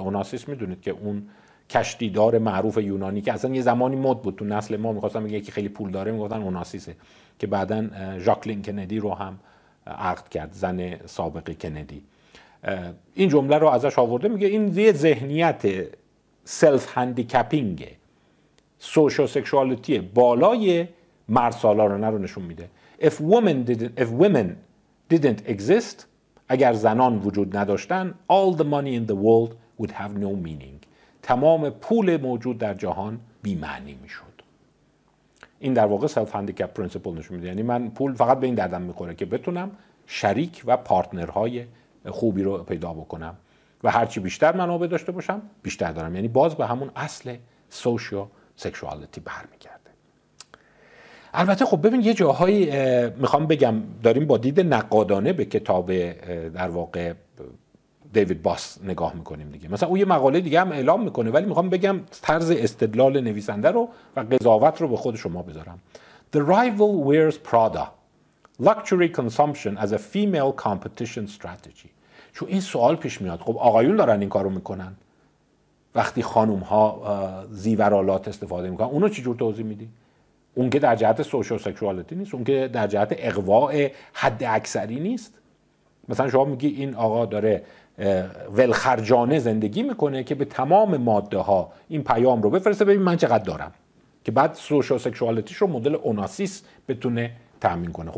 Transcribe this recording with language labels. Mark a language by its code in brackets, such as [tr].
[fa] اوناسیس میدونید که اون کشتیدار معروف یونانی که اصلا یه زمانی مد بود تو نسل ما، میخواستم بگه یکی خیلی پول داره میگفتن اوناسیسه، که بعدن ژاکلین کندی رو هم عقد کرد، زن سابق کندی. این جمله رو ازش آورده، میگه این یه ذهنیت سلف هندیکپینگ سوشال سکشوالیتی بالای مردسالارانه رو نشون میده. [en] If women didn't exist، [fa] اگر زنان وجود نداشتن، [en] all the money in the world would have no meaning، [fa] تمام پول موجود در جهان بی‌معنی میشد. این در واقع سلف هندیکپ پرینسیپل نشون میده. یعنی من پول فقط به این دردم میخوره که بتونم شریک و پارتنرهای خوبی رو پیدا بکنم و هرچی بیشتر منابع داشته باشم بیشتر دارم. یعنی باز به همون اصل سوشال سکشوالیتی برمیگرده. البته خب ببین یه جاهایی میخوام بگم داریم با دید نقادانه به کتاب در واقع دیوید باس نگاه میکنیم دیگه. مثلا اون یه مقاله دیگه هم اعلام میکنه، ولی میخوام بگم طرز استدلال نویسنده رو و قضاوت رو به خود شما بذارم. [en] The rival wears Prada. Luxury consumption as a female competition strategy. [fa] چون این سوال پیش میاد، خب آقایون دارن این کارو میکنن، وقتی خانوم ها زیورالات استفاده میکنن اونو چجور توضیح میدی؟ اون که در جهت سوشال سکشوالیتی نیست، اون که در جهت اقواء حد اکثری نیست. مثلا شما میگی این آقا داره ولخرجانه زندگی میکنه که به تمام ماده ها این پیام رو بفرسته ببین من چقدر دارم، که بعد سوشال سکشوالیتیش رو مدل اوناسیس بتونه تامین کنه.